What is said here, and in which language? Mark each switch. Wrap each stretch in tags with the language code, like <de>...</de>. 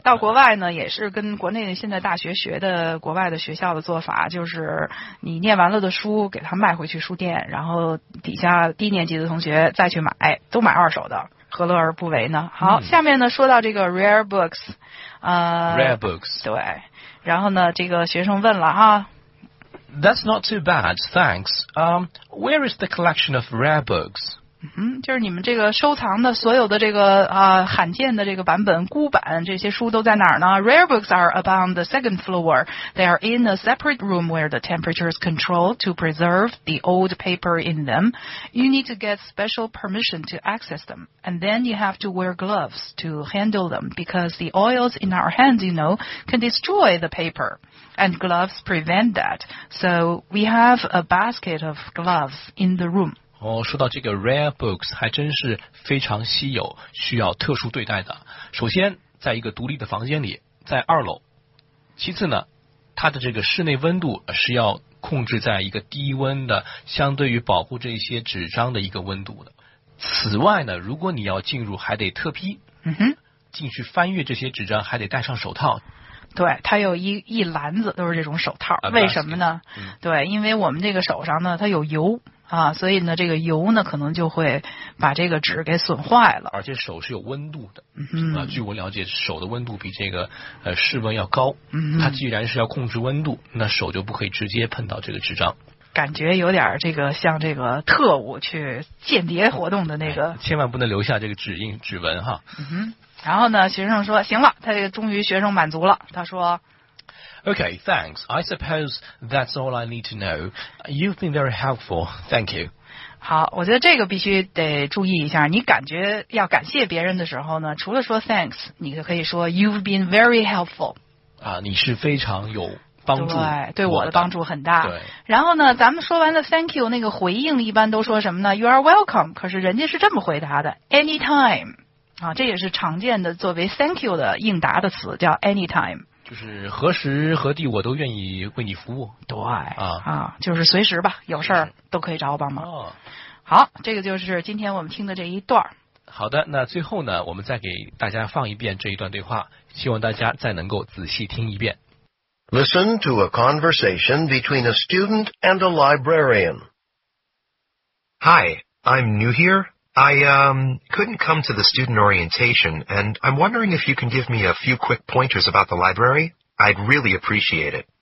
<zh>到国外呢也是跟国内现在大学学的国外的学校的做法，就是你念完了的书给他卖回去书店，然后底下低年级的同学再去买，都买二手的。何乐而不为呢？好，下面呢说到这个 rare books,</zh> <en>rare books,</en> <zh>对，然后呢这个学生问了哈</zh> <en>That's not too bad, thanks. Where is the collection of rare books?</en> <zh>就是你们这个收藏的所有的这个罕见的这个版本孤版这些书都在哪儿呢？</zh> <en>Rare books are upon the second floor. They are in a separate room where the temperature is controlled to preserve the old paper in them. You need to get special permission to access them. And then you have to wear gloves to handle them because the oils in our hands, you know, can destroy the paper. And gloves prevent that. So we have a basket of gloves in the room.</en> <zh>哦，说到这个 rare books 还真是非常稀有，需要特殊对待的。首先在一个独立的房间里，在二楼，其次呢它的这个室内温度是要控制在一个低温的，相对于保护这些纸张的一个温度的。此外呢如果你要进入还得特批，进去翻阅这些纸张还得戴上手套。对，它有一篮子都是这种手套、为什么呢、对，因为我们这个手上呢它有油啊，所以呢这个油呢可能就会把这个纸给损坏了，而且手是有温度的、据我了解手的温度比这个室温要高、它既然是要控制温度，那手就不可以直接碰到这个纸张，感觉有点这个像这个特务去间谍活动的那个、千万不能留下这个指印指纹哈。然后呢学生说行了，他这个终于学生满足了，他说</zh> <en>Okay, thanks. I suppose that's all I need to know. You've been very helpful. Thank you.</en> <zh>好，我觉得这个必须得注意一下。你感觉要感谢别人的时候呢，除了说 thanks， 你可以说</zh> <en>you've been very helpful。</en> <zh>啊，你是非常有帮助，对我的帮助很大。对，然后呢，咱们说完了 thank you， 那个回应一般都说什么呢 ？</zh> <en>You are welcome。</en> <zh>可是人家是这么回答的 ，anytime。啊，这也是常见的作为 thank you 的应答的词，叫 anytime。就是何时何地我都愿意为你服务。对啊啊，就是随时吧，有事儿都可以找我帮忙。哦，好，这个就是今天我们听的这一段。好的，那最后呢，我们再给大家放一遍这一段对话，希望大家再能够仔细听一遍。</zh> <en>Listen to a conversation between a student and a librarian. Hi, I'm new here. I couldn't come to the student orientation, and I'm wondering if you can give me a few quick pointers about the library. I'd really appreciate it.</en>